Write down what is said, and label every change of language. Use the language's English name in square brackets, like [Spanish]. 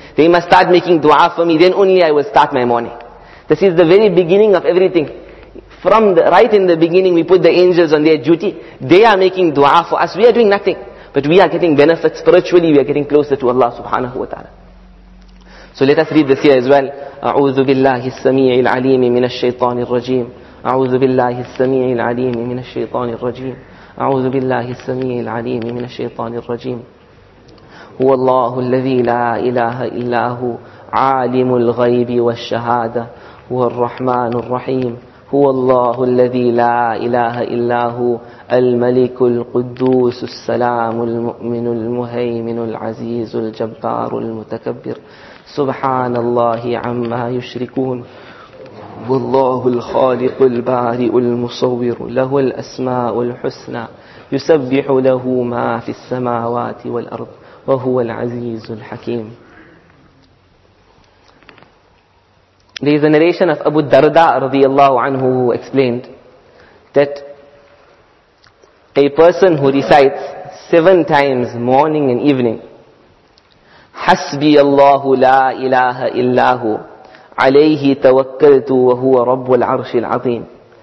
[English] They must start making dua for me, then only I will start my morning. This is the very beginning of everything. From the right in the beginning, we put the angels on their duty. They are making dua for us. We are doing nothing. But we are getting benefits spiritually. We are getting closer to Allah subhanahu wa ta'ala. So let us read this here as well. [Arabic] أعوذ بالله السميع العليم من الشيطان الرجيم. أعوذ بالله السميع العليم من الشيطان الرجيم. أعوذ بالله السميع العليم من الشيطان الرجيم. هو الله الذي لا إله إلا هو عالم الغيب والشهادة هو الرحمن الرحيم. هو الله الذي لا إله إلا هو الملك القدوس السلام المؤمن المهيمن العزيز الجبار المتكبر. سبحان الله عما يشركون. والله الخالق البارئ المصور له الأسماء الحسنى يسبح له ما في السماوات والأرض وهو العزيز الحكيم. [English] There is a narration of Abu Darda رضي الله عنه who explained that a person who recites seven times morning and evening [Arabic] حسبي الله لا إله إلا هو عليه توكلت وهو رب العرش العظيم.